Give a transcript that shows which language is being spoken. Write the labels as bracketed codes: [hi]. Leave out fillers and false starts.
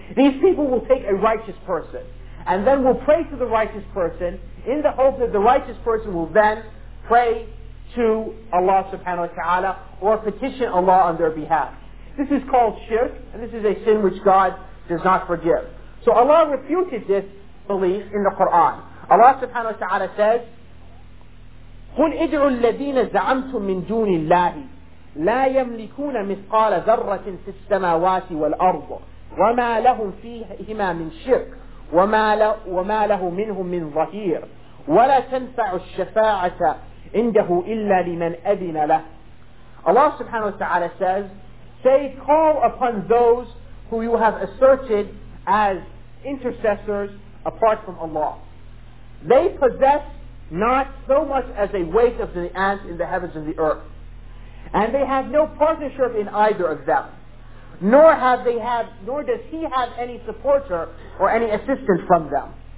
[en] These people will take a righteous person and then will pray to the righteous person in the hope that the righteous person will then pray to Allah subhanahu wa ta'ala or petition Allah on their behalf. This is called shirk, and this is a sin which God does not forgive. So Allah refuted this belief in the Quran. Allah subhanahu wa ta'ala says, [ar] قُلْ اِدْعُوا الَّذِينَ زَعَمْتُمْ مِنْ دُونِ اللَّهِ لَا يَمْلِكُونَ مِثْقَالَ ذَرَّةٍ فِي السَّمَاوَاتِ وَالْأَرْضِ وَمَا لَهُمْ فِيهِمَا مِنْ شِرْكٍ وَمَا لَهُ مِنْهُمْ مِنْ ظَهِيرٍ وَلَا تَنْفَعُ الشَّفَاعَةَ عِنْدَهُ إِلَّا لِمَنْ أَذِنَ لَهُ. [en] Allah subhanahu wa ta'ala says, say, call upon those who you have asserted as intercessors apart from Allah. They possess not so much as a weight of the ant in the heavens and the earth, and they have no partnership in either of them, nor does he have any supporter or any assistance from them.